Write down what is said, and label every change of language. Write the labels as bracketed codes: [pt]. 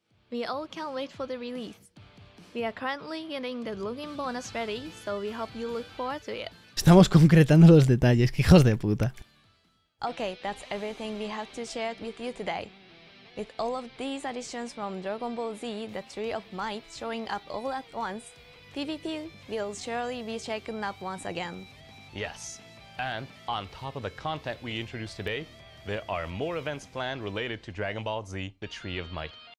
[en] We all can't wait for the release. We are currently getting the login bonus ready, so we hope you look forward to it. [es] Estamos concretando los detalles, qué hijos de puta. [en] Okay, that's everything we have to share with you today. With all of these additions from Dragon Ball Z, the Tree of Might showing up all at once, PvP will surely be shaken up once again. Yes, and on top of the content we introduced today, there are more events planned related to Dragon Ball Z, the Tree of Might.